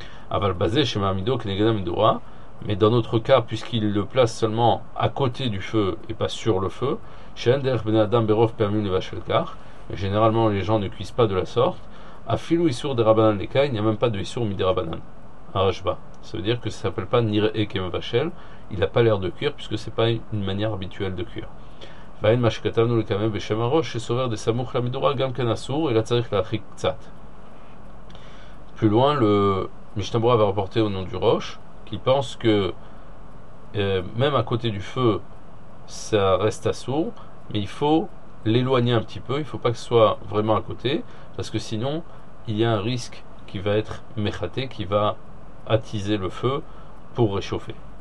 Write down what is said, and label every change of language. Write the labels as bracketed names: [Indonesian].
[French] Aval basé chez Mahamido Kenegadam Dura, mais dans notre cas, puisqu'il le place seulement à côté du feu et pas sur le feu, chez Ender Ben Adam Berov Permune Vachelkar, généralement les gens ne cuisent pas de la sorte, à Filou Issour de Rabanan Lekai, il n'y a même pas de Issour Midi Rabanan, à Rajba. Ça veut dire que ça ne s'appelle pas Nir Ekem Vachel, il n'a pas l'air de cuire puisque ce n'est pas une manière habituelle de cuire. [Hebrew] ואין מה שכתבנו לקמם בשם הראש שסובר דה סמוך למדורה גם כן אסור, אלא צריך להרחיק קצת. [French] Plus loin, le Mishnah Berurah va rapporter au nom du Rosh, qui pense que même à côté du feu, ça reste assourd, mais il faut l'éloigner un petit peu, il ne faut pas que ce soit vraiment à côté, parce que sinon, il y a un risque qui va être mechaté, qui va attiser le feu pour réchauffer.